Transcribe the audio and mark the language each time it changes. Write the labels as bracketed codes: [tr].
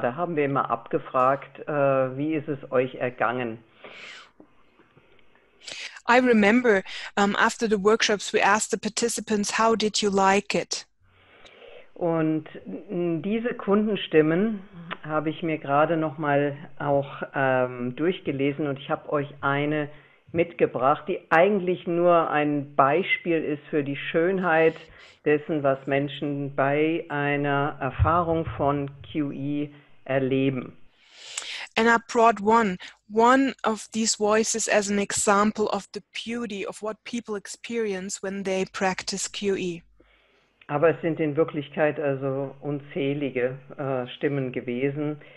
[de] Da haben wir immer abgefragt, wie ist es euch ergangen? [en] I remember after the workshops we asked the participants, how did you like it? [de] Und diese Kundenstimmen habe ich mir gerade noch mal auch durchgelesen, und ich habe euch eine mitgebracht, die eigentlich nur ein Beispiel ist für die Schönheit dessen, was Menschen bei einer Erfahrung von QE erleben. [en] And I brought one of these voices as an example of the beauty of what people experience when they practice QE. [de] Aber es sind in Wirklichkeit also unzählige Stimmen gewesen.